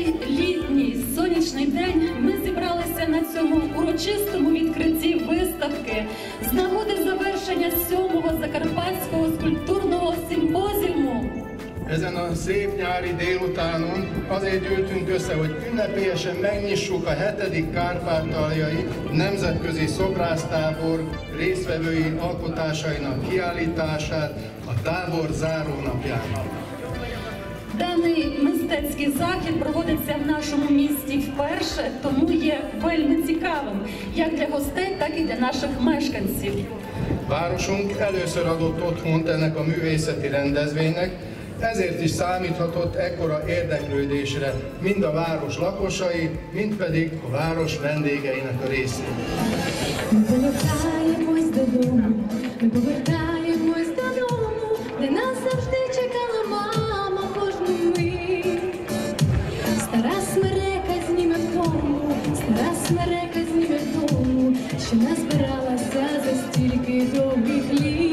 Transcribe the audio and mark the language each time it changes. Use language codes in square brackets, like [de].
[uk] літній сонячний день ми зібралися на цьому урочистому відкритті виставки з нагоди завершення 7-го закарпатського скульптурного симпозіуму. [hu] Ezen a szép nyári délutánon azért gyűltünk össze, hogy ünnepélyesen megnyissuk a 7. kárpátaljai nemzetközi szobrásztábor résztvevői alkotásainak kiállítását a tábor zárónapjának. [uk] Даний мистецький захід проводиться в нашому місті вперше, тому є вельми цікавим, як для гостей, так і для наших мешканців. [hu] Városunk először adott otthont ennek a művészeti rendezvénynek, ezért is számíthatott ekkora érdeklődésre mind a város lakosai, mind pedig a város vendégeinek a részére. [uk] Ми повертаємось додому, ми повертаємось додому, де нас завжди чекала мама кожну мить. Стара смерека зніме форму, стара смерека зніме тому, що нас збиралася за стільки довгих літ.